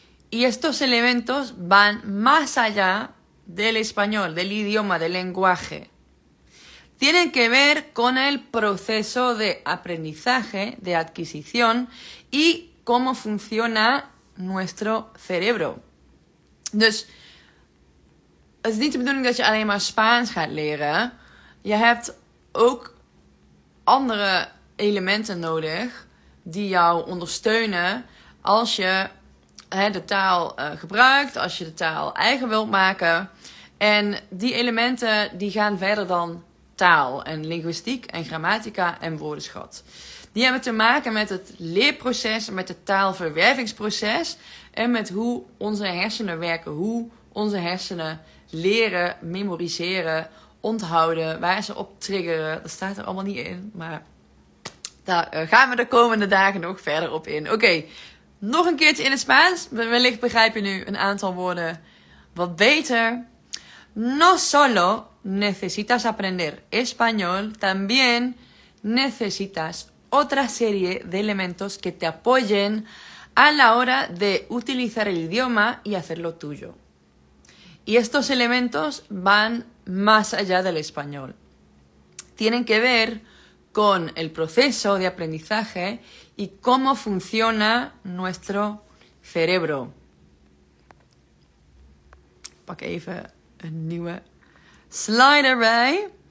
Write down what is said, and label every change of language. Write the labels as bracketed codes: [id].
[es] Y estos elementos van más allá del español, del idioma, del lenguaje. Tienen que ver con el proceso de aprendizaje, de adquisición y cómo funciona nuestro cerebro. [nl] Entonces, het is niet de bedoeling dat je alleen maar Spaans gaat leren. Je hebt ook andere elementen nodig die jou ondersteunen als je de taal gebruikt, als je de taal eigen wilt maken. En die elementen die gaan verder dan taal en linguistiek en grammatica en woordenschat. Die hebben te maken met het leerproces, met het taalverwervingsproces en met hoe onze hersenen werken, hoe onze hersenen leren, memoriseren, onthouden, waar ze op triggeren. Dat staat er allemaal niet in, maar daar gaan we de komende dagen nog verder op in. Oké, nog een keertje in het Spaans. Wellicht begrijp je nu een aantal woorden wat beter. [es] No solo necesitas aprender español, también necesitas otra serie de elementos que te apoyen a la hora de utilizar el idioma y hacerlo tuyo. Y estos elementos van más allá del español. Tienen que ver con el proceso de aprendizaje y cómo funciona nuestro cerebro. [nl] Pak even een nieuwe slide erbij.